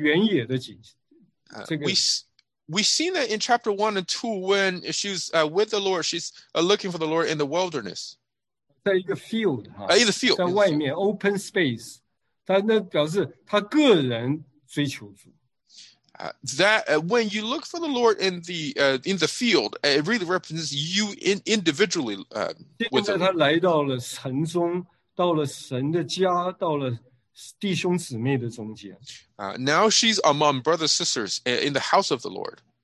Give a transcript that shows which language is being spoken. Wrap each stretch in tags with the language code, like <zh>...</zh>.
<zh>我们看见第一章、第二章呢，他追求主都是在原野的景。这个，we</zh> <en>see that in chapter 1 and 2, when she's with the Lord, she's looking for the Lord in the wilderness.</en> <zh>在一个field,</zh> <en>in the field.</en> <zh>在外面,</zh> <en>open space.</en> <zh>但那表示他个人追求主。</zh> <en>When you look for the Lord in the field, it really represents you individually.</en> <zh>现在他来到了城中，到了神的家，到了弟兄姊妹的中间。Now</zh> <en>she's among brothers and sisters in the house of the Lord.</en>